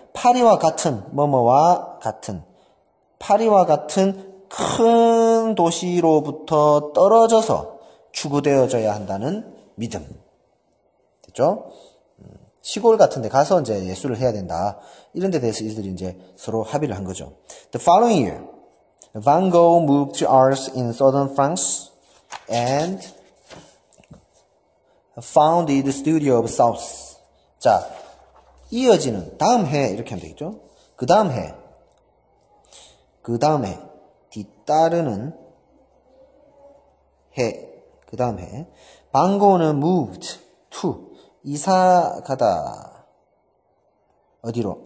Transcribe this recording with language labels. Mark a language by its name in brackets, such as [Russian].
[Korean] 파리와 같은, 뭐뭐와 같은, 파리와 같은 큰 도시로부터 떨어져서 추구되어져야 한다는 믿음. 됐죠? 시골 같은 데 가서 이제 예술을 해야 된다. 이런 데 대해서 이들이 이제 서로 합의를 한 거죠. [English] The following year, Van Gogh moved to Arles in southern France and founded the studio of South. [Korean] 자, 이어지는 다음 해 이렇게 하면 되겠죠? 그 다음 해, 그 다음 해, 뒤따르는 해, 그 다음 해, Van Gogh는 [English] moved to [Korean] 이사가다 어디로?